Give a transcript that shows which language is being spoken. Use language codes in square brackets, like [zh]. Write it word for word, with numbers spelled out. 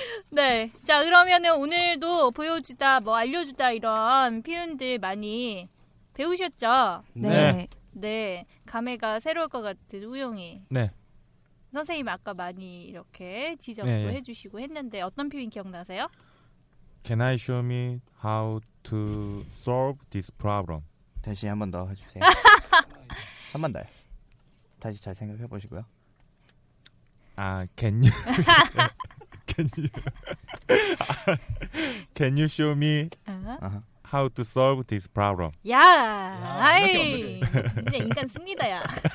[ko] 네, 자 그러면은 오늘도 보여주다, 뭐 알려주다 이런 표현들 많이 배우셨죠? 네. 네, 감회가 새로울 것 같은 우영이. 네. 선생님 아까 많이 이렇게 지적도 네. 해주시고 했는데 어떤 표현 기억나세요? [en] Can I show me how to solve this problem? [ko] 다시 한 번 더 해주세요. 한 번 더. 다시 잘 생각해 보시고요. [en] 아, can you? Can you? Can you show me uh-huh. how to solve this problem? [ko] 야, 아이, 그냥 인간 승리다야.